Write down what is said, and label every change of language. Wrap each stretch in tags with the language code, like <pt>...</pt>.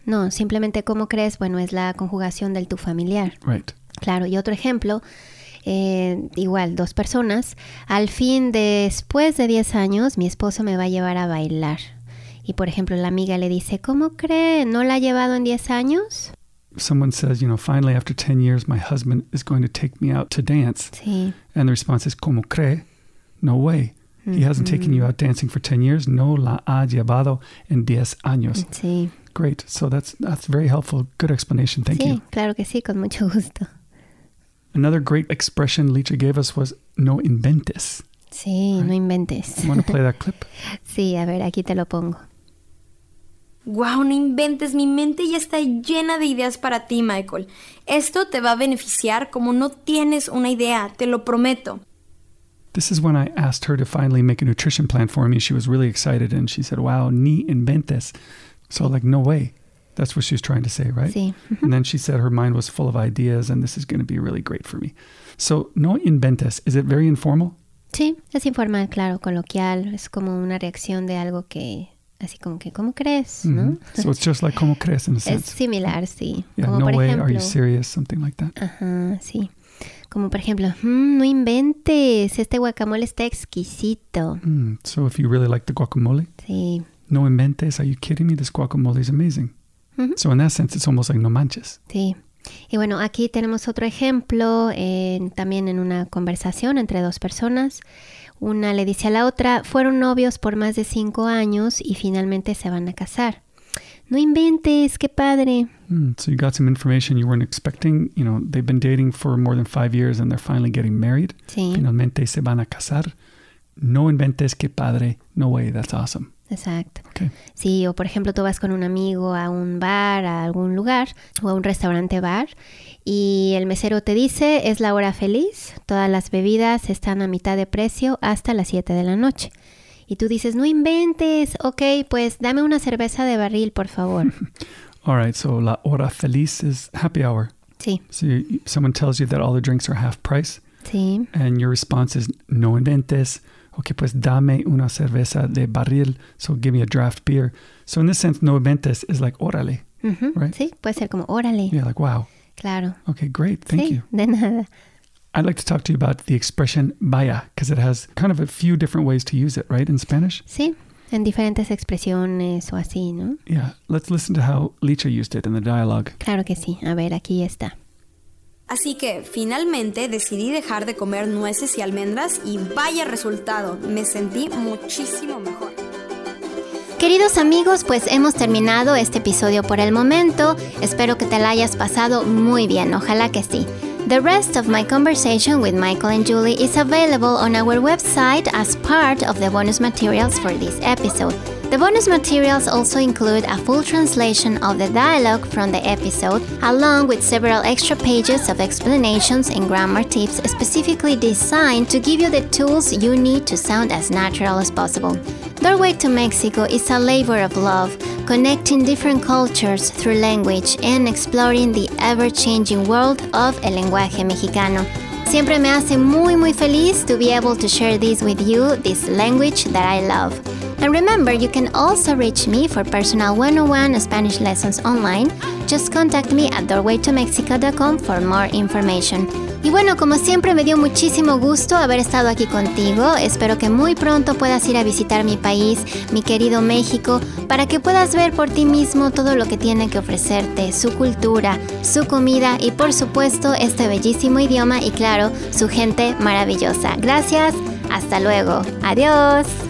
<es>No, simplemente ¿cómo crees? Bueno, es la conjugación del tu familiar.</es> <en>Right.</en> <es>Claro, y otro ejemplo. Igual, dos personas. Al fin, después de 10 años, mi esposo me va a llevar a bailar. Y por ejemplo, la amiga le dice, ¿cómo cree? ¿No la ha llevado en 10 años?</es> <en>Someone says, you know, finally after 10 years, my husband is going to take me out to dance.</en> <es>Sí.</es> <en>And the response is,</en> <es>¿cómo cree?</es> <en>No way. Mm-hmm. He hasn't taken you out dancing for 10 years.</en> <es>No la ha llevado en 10 años. Sí.</es> <en>Great. So that's very helpful. Good explanation. Thank</en> <es>sí,</es> <en>you.</en> <es>Sí, claro que sí, con mucho gusto.</es> <en>Another great expression Licha gave us was no inventes.</en> <es>Sí,</es> <en>right?</en> <es>No inventes.</es> <en>Want to play that clip?</en> <es>Sí, a ver, aquí te lo pongo. Wow, no inventes, mi mente ya está llena de ideas para ti, Michael. Esto te va a beneficiar como no tienes una idea, te lo prometo.</es> <en>This is when I asked her to finally make a nutrition plan for me. She was really excited and she said, wow, ni inventes. So like, no way. That's what she's trying to say, right?</en> <es>Sí.</es> <en>And then she said her mind was full of ideas and this is going to be really great for me. So, no inventes. Is it very informal?</en> <es>Sí, es informal, claro, coloquial. Es como una reacción de algo que, así como que, ¿cómo crees? Mm-hmm. ¿No?</es> <en>So, it's just like,</en> <es>¿cómo crees?</es> <en>In a sense.</en> <es>Es similar, sí.</es> <en>Yeah,</en> <es>como</es> <en>no</en> <es>por</es> <en>way,</en> <es>ejemplo,</es> <en>are you serious? Something like that.</en> <es>Ajá, sí. Como por ejemplo, no inventes. Este guacamole está exquisito.</es> <en>So, if you really like the guacamole.</en> <es>Sí. No inventes.</es> <en>Are you kidding me? This guacamole is amazing. Mm-hmm. So in that sense, it's almost like no manches.</en> <es>Sí. Y bueno, aquí tenemos otro ejemplo también en una conversación entre dos personas. Una le dice a la otra, fueron novios por más de 5 años y finalmente se van a casar. No inventes, qué padre.</es> <en>So you got some information you weren't expecting. You know, they've been dating for more than 5 years and they're finally getting married.</en> <es>Sí. Finalmente se van a casar. No inventes, qué padre.</es> <en>No way, that's awesome.</en> <es>Exacto.</es> <en>Okay.</en> <es>Sí, o por ejemplo, tú vas con un amigo a un bar, a algún lugar, o a un restaurante bar, y el mesero te dice, es la hora feliz, todas las bebidas están a mitad de precio hasta las 7 de la noche. Y tú dices, no inventes, ok, pues dame una cerveza de barril, por favor.</es> <en>All right, so la hora feliz is happy hour.</en> <es>Sí.</es> <en>So someone tells you that all the drinks are half price.</en> <es>Sí.</es> <en>And your response is, no inventes.</en> <es>Okay, pues dame una cerveza de barril,</es> <en>so give me a draft beer. So in this sense, no inventes is like órale, mm-hmm. Right?</en> <es>Sí, puede ser como órale.</es> <en>Yeah, like wow.</en> <es>Claro.</es> <en>Okay, great. Thank</en> <es>sí,</es> <en>you.</en> <es>De nada.</es> <en>I'd like to talk to you about the expression vaya, because it has kind of a few different ways to use it, right, in Spanish?</en> <es>Sí, en diferentes expresiones o así, ¿no?</es> <en>Yeah, let's listen to how Licha used it in the dialogue.</en> <es>Claro que sí. A ver, aquí está. Así que, finalmente, decidí dejar de comer nueces y almendras y vaya resultado, me sentí muchísimo mejor. Queridos amigos, pues hemos terminado este episodio por el momento. Espero que te la hayas pasado muy bien, ojalá que sí.</es> <en>The rest of my conversation with Michael and Julie is available on our website as part of the bonus materials for this episode. The bonus materials also include a full translation of the dialogue from the episode, along with several extra pages of explanations and grammar tips specifically designed to give you the tools you need to sound as natural as possible. Doorway to Mexico is a labor of love, connecting different cultures through language and exploring the ever-changing world of</en> <es>el lenguaje mexicano. Siempre me hace muy, muy feliz</es> <en>to be able to share this with you, this language that I love. And remember, you can also reach me for personal 101 Spanish lessons online. Just contact me at doorwaytomexico.com for more information.</en> <es>Y bueno, como siempre, me dio muchísimo gusto haber estado aquí contigo. Espero que muy pronto puedas ir a visitar mi país, mi querido México, para que puedas ver por ti mismo todo lo que tiene que ofrecerte, su cultura, su comida y, por supuesto, este bellísimo idioma y, claro, su gente maravillosa. Gracias, hasta luego. Adiós.</es>